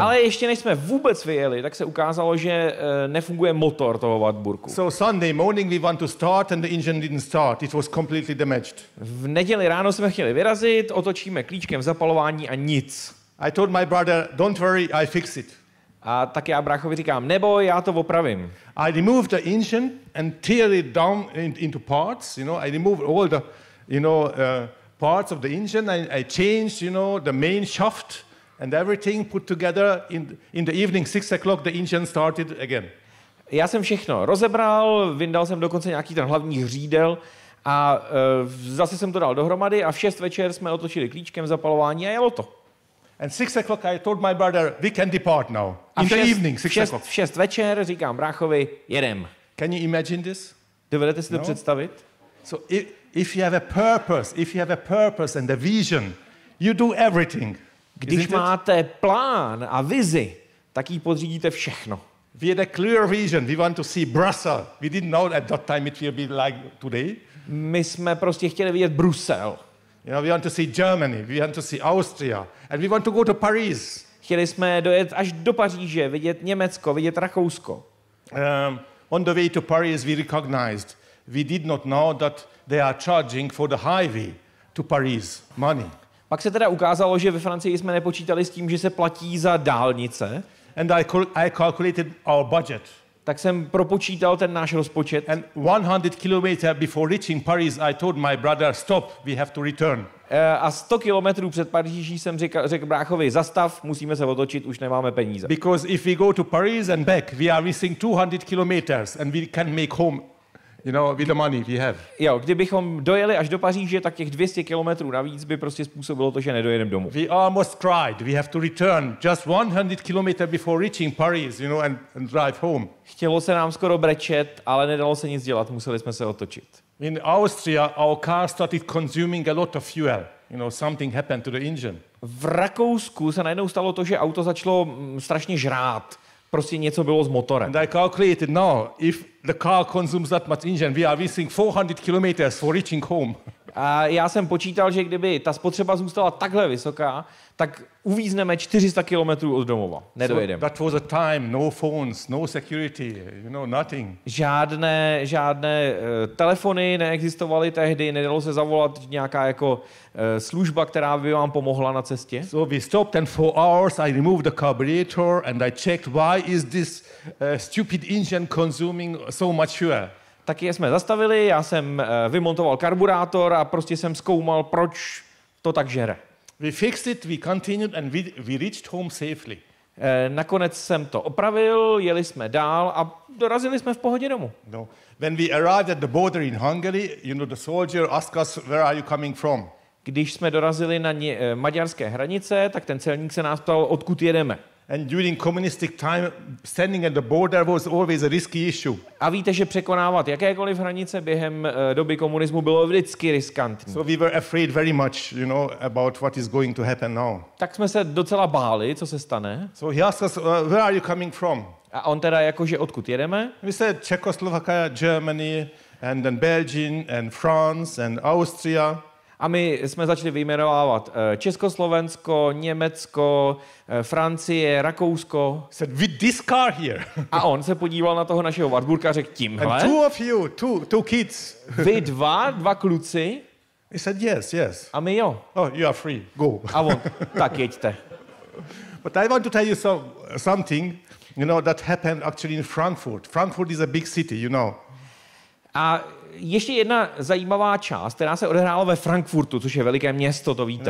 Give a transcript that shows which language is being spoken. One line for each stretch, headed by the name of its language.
Czech: Ale ještě než jsme vůbec vyjeli, tak se ukázalo, že nefunguje motor toho Wartburku.
English: So Sunday morning we want to start and the engine didn't start. It was completely damaged.
Czech: V neděli ráno jsme chtěli vyrazit, otočíme klíčkem v zapalování a nic.
English: I told my brother, don't worry, I fix it.
Czech: A tak já bráchovi říkám, neboj, já to opravím.
English: I removed the engine and tear it down into parts, you know, I removed all the, you know, parts of the engine, I changed, you know, the main shaft and everything put together in the evening, 6 o'clock, the engine started again.
Czech: Já jsem všechno rozebral, vyndal jsem dokonce nějaký ten hlavní hřídel a zase jsem to dal dohromady a v 6 večer jsme otočili klíčkem zapalování a jelo to.
English: And 6 o'clock, I told my brother, we can depart now. In the evening, 6 o'clock.
Czech: V 6 večer říkám bráchovi, jedem.
English: Can you imagine this?
Czech: Dovedete si to představit?
English: So if you have a purpose, if you have a purpose and a vision, you do everything.
Czech: Když máte plán a vizi, tak jí podřídíte všechno.
English: We had a clear vision. We want to see Brussels. We didn't know at that time it will be like today.
Czech: My jsme prostě chtěli vidět Brusel.
English: You know, we want to see Germany, we want to see Austria, and we want to go to Paris.
Czech: Chtěli jsme dojet až do Paříže, vidět Německo, vidět Rakousko.
English: On the way to Paris we recognized we did not know that they are charging for the highway to Paris money.
Czech: Pak se teda ukázalo, že ve Francii jsme nepočítali s tím, že se platí za dálnice.
English: And I calculated our budget.
Czech: Tak jsem propočítal ten náš rozpočet.
English: And 100 km before reaching Paris I told my brother stop, we have to return.
Czech: A 100 kilometrů před Paříží jsem řekl bráchovi zastav, musíme se otočit, už nemáme peníze.
English: Because if we go to Paris and back, we are missing 200 kilometers and we can make home, you know, with the money we have.
Czech: Jo, kdybychom dojeli až do Paříže, tak těch 200 kilometrů navíc by prostě způsobilo to, že nedojedeme domů.
English: We almost cried. We have to return just 100 kilometers before reaching Paris, you know, and drive home.
Czech: Chtělo se nám skoro brečet, ale nedalo se nic dělat, museli jsme se otočit.
English: In Austria our car started consuming a lot of fuel. You know, something happened to the engine.
Czech: V Rakousku se najednou stalo to, že auto začalo strašně žrát. Prostě něco bylo s motorem.
English: And I calculated, no, if the car consumes that much engine, we are missing 400 kilometers for reaching home.
Czech: A já jsem počítal, že kdyby ta spotřeba zůstala takhle vysoká, tak uvízneme 400 kilometrů od domova. Nedojedeme.
English: So that was a time, no phones, no security, you know, nothing.
Czech: Žádné telefony neexistovaly tehdy, nedalo se zavolat nějaká jako služba, která by vám pomohla na cestě.
English: So we stopped and for hours I removed the carburetor and I checked why is this stupid engine consuming so much fuel.
Czech: Tak jsme zastavili, já jsem vymontoval karburátor a prostě jsem zkoumal, proč to tak žere.
English: We fixed it, we continued and we reached home safely.
Czech: Nakonec jsem to opravil, jeli jsme dál a dorazili jsme v pohodě domů.
English: No. When we arrived at the border in Hungary, you know, the soldier asked us, where are you coming from?
Czech: Když jsme dorazili na maďarské hranice, tak ten celník se nás ptal, odkud jedeme.
English: And during communistic time, standing at the border was always a risky issue.
Czech: A víte, že překonávat jakékoliv hranice během doby komunismu bylo vždycky riskantní.
English: So we were afraid very much, you know, about what is going to happen now.
Czech: Tak jsme se docela báli, co se stane.
English: So he asked us, where are you coming from?
Czech: A on teda jakože odkud jedeme?
English: We said Czechoslovakia, Germany, and then Belgium, and France, and Austria.
Czech: A my jsme začali vyjmenovávat Československo, Německo, Francie, Rakousko.
English: Said, with this car here.
Czech: A on se podíval na toho našeho Wartburga a řekl tímhle.
English: And two of you, two kids.
Czech: Vy dva kluci.
English: He said, yes, yes.
Czech: A my jo.
English: Oh, you are free, go.
Czech: A on, tak jeďte.
English: But I want to tell you something, you know, that happened actually in Frankfurt. Frankfurt is a big city, you know.
Czech: A ještě jedna zajímavá část, která se odehrála ve Frankfurtu, což je veliké město, to víte.